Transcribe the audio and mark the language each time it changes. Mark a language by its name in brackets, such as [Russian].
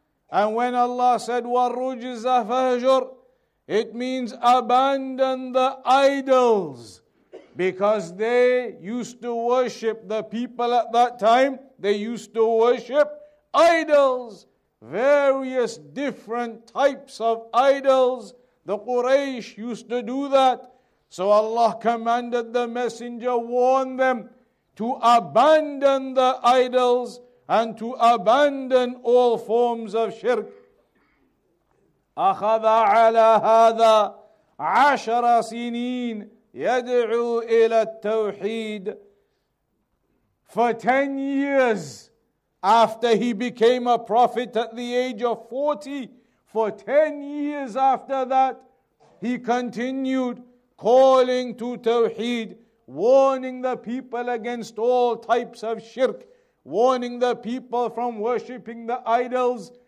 [English] And when Allah said [Arabic] وَالرُّجْزَ فَهْجُرْ, [English] it means abandon the idols, because they used to worship, the people at that time, they used to worship idols, various different types of idols. The Quraysh used to do that. So Allah commanded the messenger, warn them to abandon the idols and to abandon all forms of shirk. [Arabic] أخذ على هذا عشر سنين يدعو إلى التوحيد. [English] For 10 years after he became a prophet at the age of 40, for 10 years after that, he continued calling to tawheed, warning the people against all types of shirk, warning the people from worshipping the idols.